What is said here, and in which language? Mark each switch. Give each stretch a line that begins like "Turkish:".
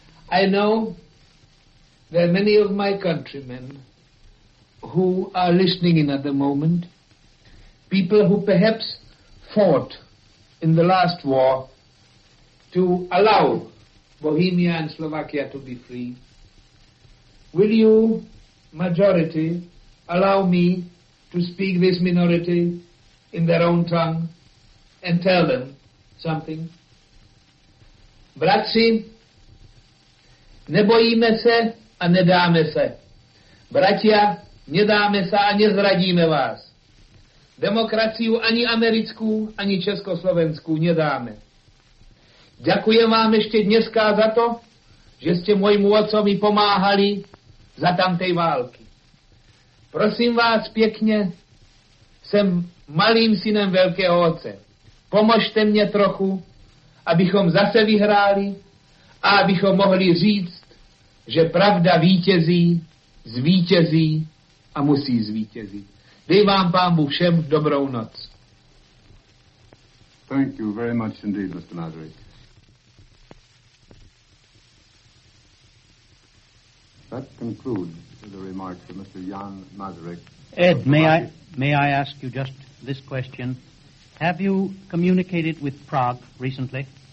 English: I know there are many of my countrymen who are listening in at the moment, people who perhaps fought in the last war to allow Bohemia and Slovakia to be free. Will you, majority, allow me to speak this minority in their own tongue and tell them something?
Czech: Bratři, nebojíme se a nedáme se. Bratia, nedáme se a nezradíme vás. Demokraciu ani americkou, ani československou nedáme.
Slovak: Ďakujem vám ešte dneska za to, že ste môjmu otcovi pomáhali za tamtej války. Prosím vás pekne, som malým synem veľkého otce.
Czech: Pomožte mne trochu, abychom zase vyhráli a abychom mohli říct, že pravda vítězí, zvítězí a musí zvítězit. Dej vám pánbu všem dobrou noc.
English: Thank you very much indeed, Mr. Nazarek. That concludes the remarks of Mr. Jan Masaryk. Ed, may I ask you just this question? Have you communicated with Prague recently?